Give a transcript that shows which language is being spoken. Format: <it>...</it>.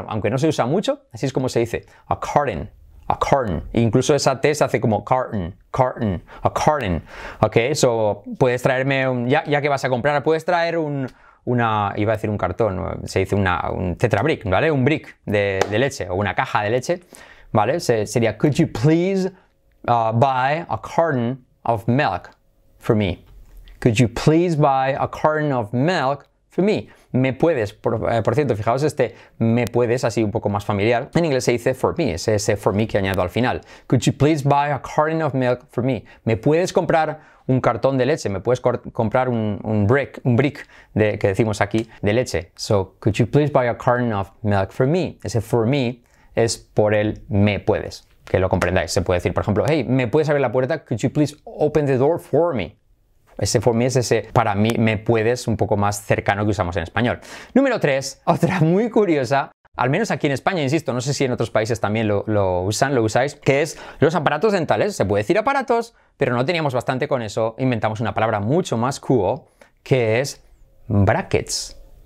<es>Aunque no se usa mucho, así es como se dice, a carton, a carton. E incluso esa T se hace como carton, carton, a carton. Ok, eso puedes traerme, ya que vas a comprar, puedes traer un tetra brick, ¿vale? Un brick de leche o una caja de leche, ¿vale?</es> <en>Sería, could you please buy a carton of milk for me? Could you please buy a carton of milk for me?</en> <es>Me puedes, por cierto, fijaos este me puedes, así un poco más familiar. En inglés se dice for me, es ese for me que añado al final.</es> <en>Could you please buy a carton of milk for me?</en> <es>Me puedes comprar un cartón de leche, me puedes comprar un brick de, que decimos aquí, de leche.</es> <en>So, could you please buy a carton of milk for me?</en> <es>Ese for me es por el me puedes, que lo comprendáis. Se puede decir, por ejemplo, hey, ¿me puedes abrir la puerta?</es> <en>Could you please open the door for me?</en> <es>Ese for me es ese para mí, me puedes, un poco más cercano que usamos en español. Número 3, otra muy curiosa, al menos aquí en España, insisto, no sé si en otros países también lo usan, lo usáis, que es los aparatos dentales. Se puede decir aparatos, pero no teníamos bastante con eso. Inventamos una palabra mucho más cool, que es brackets.</es>